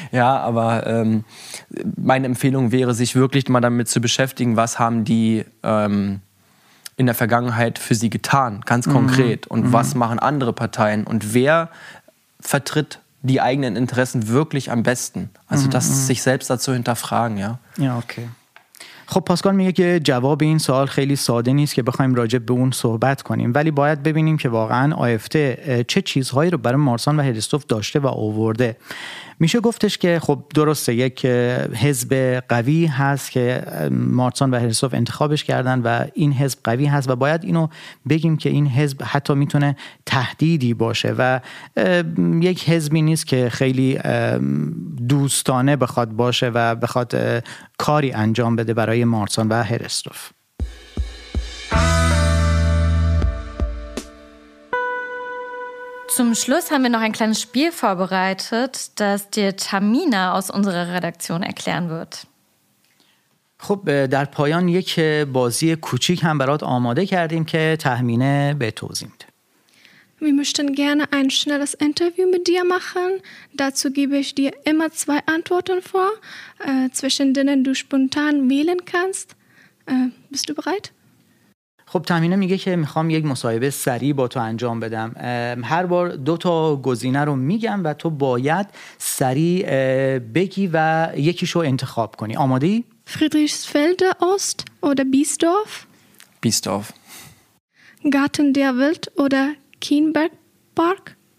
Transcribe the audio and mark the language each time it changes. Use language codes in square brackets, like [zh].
[de] ja, aber meine Empfehlung wäre, sich wirklich mal damit zu beschäftigen, was haben die in der Vergangenheit für sie getan, ganz konkret. Mhm. Und was machen andere Parteien? Und wer vertritt die eigenen Interessen wirklich am besten? Also das sich selbst dazu hinterfragen, ja. Ja, okay. [fa] خب پاسکال میگه که جواب این سوال خیلی ساده نیست که بخوایم راجع به اون صحبت کنیم، ولی باید ببینیم که واقعا آفته چه چیزهایی رو برای مارسان و هلستوف داشته و آورده. میشه گفتش که خب درسته یک حزب قوی هست که مارسان و هلستوف انتخابش کردن و این حزب قوی هست و باید اینو بگیم که این حزب حتی میتونه تهدیدی باشه و یک حزبی نیست که خیلی دوستانه بخواد باشه و بخواد کاری انجام بده برای مارسان و هلستوف. [de] Zum Schluss haben wir noch ein kleines Spiel vorbereitet, das dir Tamina aus unserer Redaktion erklären wird. [fa] خب در پایان یک بازی کوچیک هم برات آماده کردیم که تامینه به توضیح میده. [de] Wir möchten gerne ein schnelles Interview mit dir machen. Dazu gebe ich dir immer zwei Antworten vor, zwischen denen du spontan wählen kannst. Bist du bereit? [fa] خب تامینه میگه که میخوام یک مصاحبه سریع با تو انجام بدم. هر بار دو تا گزینه رو میگم و تو باید سریع بگی و یکیشو انتخاب کنی. آماده ای؟ [de] Friedrichsfelde Ost oder Biesdorf? Biesdorf. Garten der Welt oder Kienberg Park?